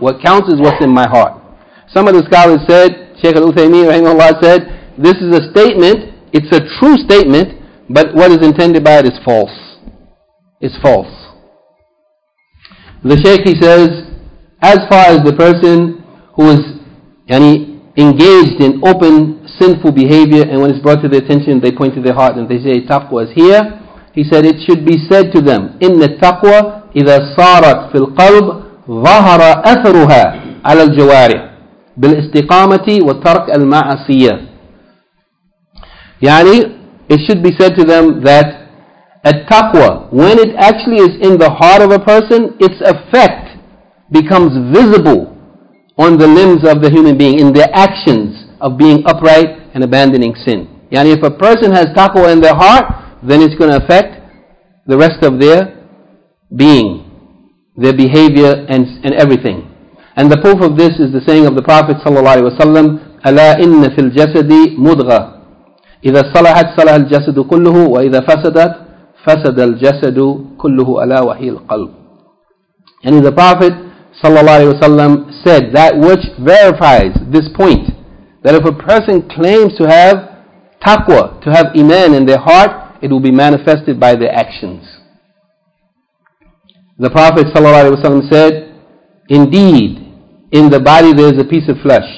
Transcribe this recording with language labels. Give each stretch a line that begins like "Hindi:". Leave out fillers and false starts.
English: What counts is what's in my heart. Some of the scholars said, Shaykh Al-Uthaymeen rahimahullah said, this is a statement, it's a true statement, but what is intended by it is false. It's false. The Shaykh, he says, as far as the person who is engaged in open sinful behavior, and when it's brought to their attention, they point to their heart and they say, taqwa is here. He said, it should be said to them,
Arabic: إِنَّ التَّقْوَى إِذَا صَارَتْ فِي الْقَلْبِ ظَهَرَ أَثَرُهَا عَلَى الْجَوَارِحِ بِالْإِسْتِقَامَةِ وَتَرْكِ الْمَعَصِيَةِ.
English: Yani, it should be said to them that التَّقْوَى, when it actually is in the heart of a person, its effect becomes visible on the limbs of the human being, in their actions of being upright and abandoning sin. Yani, if a person has taqwa in their heart, then it's going to affect the rest of their being, their behavior and everything. And the proof of this is the saying of the Prophet ﷺ,
Arabic: أَلَا إِنَّ فِي الْجَسَدِ مُضْغَةً إِذَا صَلَحَتْ صَلَحَ الْجَسَدُ كُلُّهُ وَإِذَا فَسَدَتْ فَسَدَ الْجَسَدُ كُلُّهُ أَلَا وَحِيَ الْقَلْبِ.
English: And the Prophet ﷺ said that which verifies this point, that if a person claims to have taqwa, to have iman in their heart, it will be manifested by their actions. The Prophet ﷺ said, indeed, in the body there is a piece of flesh.